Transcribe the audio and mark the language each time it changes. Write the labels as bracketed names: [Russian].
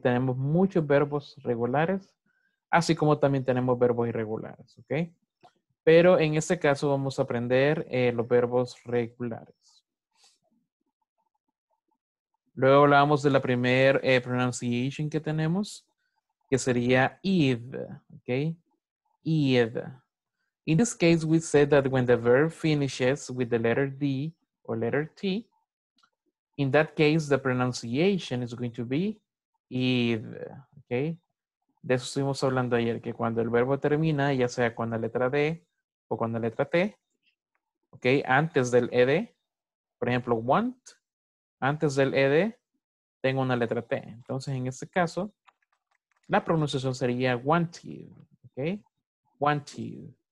[Spanish] Tenemos muchos verbos regulares, así como también tenemos verbos irregulares, ¿ok? Pero en este caso vamos a aprender los verbos regulares. Luego hablamos de la primer pronunciation que tenemos, que sería eve, ¿ok? [English] Eve. In this case, we said that when the verb finishes with the letter D or letter T, in that case, the pronunciation is going to be eve, ¿ok? [Spanish] De eso estuvimos hablando ayer, que cuando el verbo termina, ya sea con la letra D o con la letra T, ¿ok? Antes del ed, por ejemplo, want, antes del ed, tengo una letra T. Entonces, en este caso, la pronunciación sería wanted, ¿ok? Wanted.